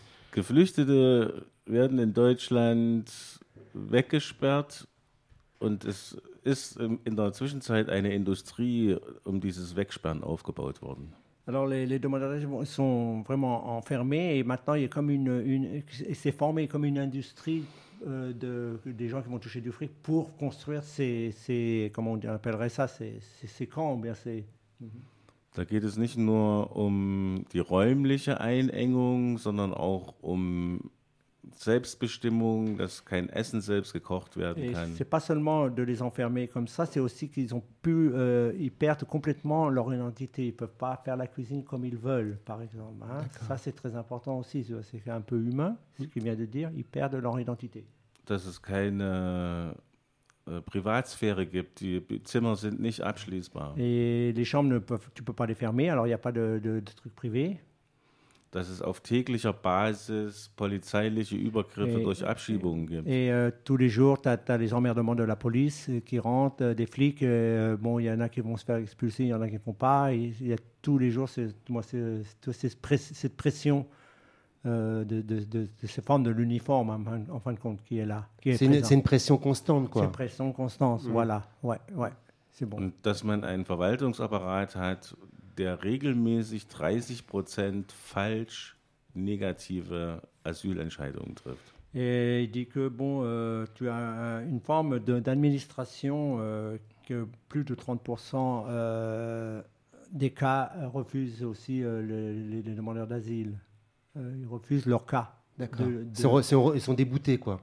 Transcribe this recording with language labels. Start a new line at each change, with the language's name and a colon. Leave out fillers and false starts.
German: Geflüchtete werden in Deutschland weggesperrt und es ist in der Zwischenzeit eine Industrie um dieses Wegsperren aufgebaut worden.
French: Alors les demandeurs sont vraiment enfermés et maintenant il y a comme une s'est formé comme une industrie des gens qui vont toucher du fric pour construire ces comment on appellerait ça ces camps bien c'est.
German: Da geht es nicht nur die räumliche Einengung, sondern auch Selbstbestimmung, dass kein Essen selbst gekocht werden
French: et
German: kann.
French: C'est pas seulement de les enfermer comme ça, c'est aussi qu'ils ont pu, ils perdent complètement leur identité. Ils peuvent pas faire la cuisine comme ils veulent, par exemple. Hein. Ça c'est très important aussi. C'est un peu humain, ce qu'il vient de dire. Ils perdent leur identité.
German: Dass es keine Privatsphäre gibt. Die Zimmer sind nicht abschließbar.
French: Et les chambres, tu ne peux pas les fermer, alors il n'y a pas de trucs privés.
German: Dass es auf täglicher Basis polizeiliche Übergriffe durch Abschiebungen gibt.
French: Et tous les jours, t'as les emmerdements de la police qui rentrent, des flics, bon, il y en a qui vont se faire expulser, il y en a qui ne font pas. Il y a tous les jours, cette pression de cette forme de l'uniforme, en fin de compte, qui est là. Qui est c'est une pression constante, quoi. C'est une pression constante, voilà. Ouais, ouais, c'est bon.
German: Et dass man einen Verwaltungsapparat hat, der regelmäßig 30% falsch négative Asylentscheidungen trifft.
French: Et il dit que, bon, tu as une forme d'administration que plus de 30% des cas refusent aussi les demandeurs d'asile. Ils refusent leur cas. D'accord. Ils sont déboutés, quoi.